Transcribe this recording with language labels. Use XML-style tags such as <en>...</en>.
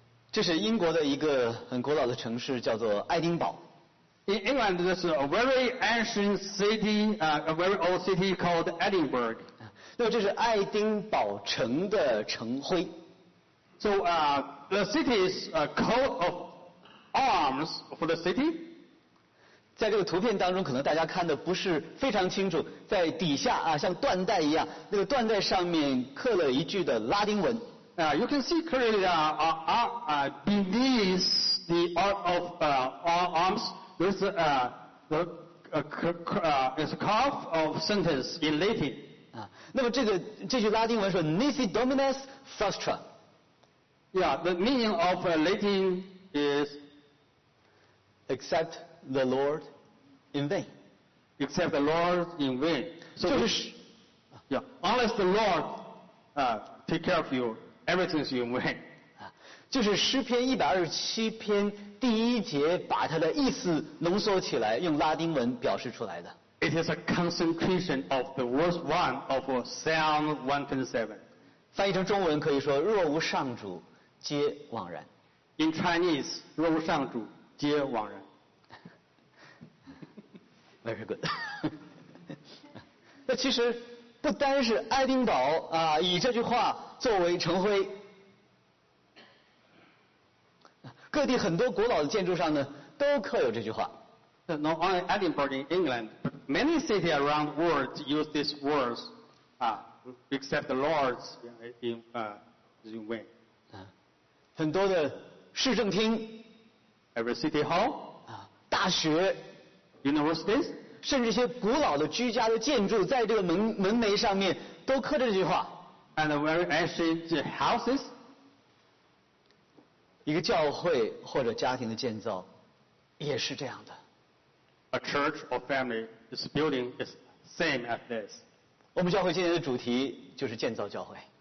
<zh>这是英国的一个很古老的城市，叫做爱丁堡。</zh> <en>In England, there's a very ancient city, a very old city called Edinburgh.</en> <zh>那这是爱丁堡城的城徽。</zh> <en>So the city's coat of arms for the city.</en> <zh>在这个图片当中可能大家看的不是非常清楚在底下啊，像缎带一样那个缎带上面刻了一句的拉丁文</zh> <en>You can see clearly beneath the art of arms there's there's a carve of sentence in Latin</en> <zh>那么这句拉丁文说</zh> <la>Nisi Dominus Frustra</la> <en>Yeah, the meaning of Latin is Except the LordIn vain, except the Lord in vain.</en> <zh>So, 就是、</zh> <en>yeah, unless the Lord take care of you, everything is in vain.</en> <zh>就是诗篇一百二十七篇第一节把它的意思浓缩起来，用拉丁文表示出来的。</zh> <en>It is a concentration of the verse one of Psalm 127.</en> <zh>翻译成中文可以说：若无上主，皆枉然。</zh> <en>In Chinese,</en> <zh>若无上主，皆枉然。</zh> <en>Very good.</en> <zh>那其实不单是爱丁堡啊，以这句话作为成徽，各地很多古老的建筑上呢，都刻有这句话。</zh> <en>Not only Edinburgh in England, but many cities around the world use these words, except the lords in Wayne.</en> <zh>很多的市政厅</zh> <en>，every city hall，</en> <zh>大学</zh> <en>，universities，</en> <zh>甚至一些古老的居家的建筑，在这个门楣上面都刻着这句话。</zh> <en>And very ancient houses，</en> <zh>一个教会或者家庭的建造也是这样的。</zh> <en>A church or family is building is same as this.</en> <zh>我们教会今年的主题就是建造教会。</zh>